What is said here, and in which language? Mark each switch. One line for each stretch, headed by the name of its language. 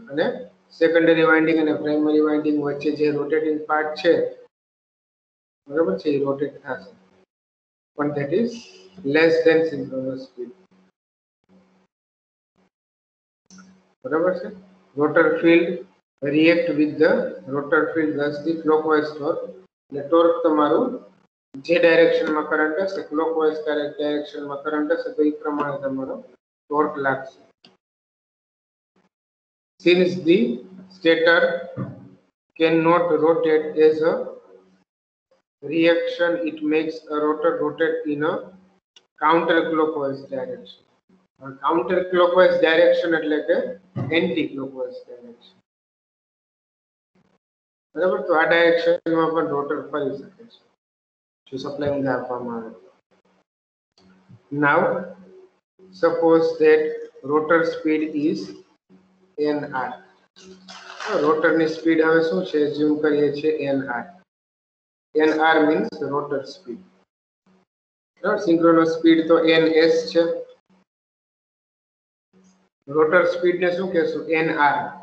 Gujarati: અને secondary winding અને primary winding વચ્ચે જે રોટેટિંગ પાર્ટ છે, બરાબર છે, એ રોટેટ થશે, પણ that is less than synchronous speed, બરાબર છે.
English: Rotor field react with the rotor field thus the clockwise torque.
Gujarati: એટલે ટોર્ક તમારું જે ડાયરેક્શનમાં કરંટ હશે, ક્લોકવાઇઝ ડાયરેક્શનમાં કરંટ હશે, તો એ પ્રમાણે તમારો ટોર્ક લાગશે.
English: Since the stator cannot rotate as a reaction, it makes a rotor rotate in a counterclockwise direction. Counterclockwise direction એટલે કે anti-clockwise direction.
Gujarati: બરાબર, તો આ ડાયરેક્શનમાં પણ રોટર ફરી શકે છે જો સપ્લાય ઊંધા આપવામાં આવે.
English: Now, suppose that rotor speed is NR.
Gujarati: રોટરની speed હવે શું છે? ઝૂમ કરીએ છીએ NR.
English: NR means rotor speed.
Gujarati: Synchronous speed તો NS છે. રોટર સ્પીડને શું કહેશું? NR.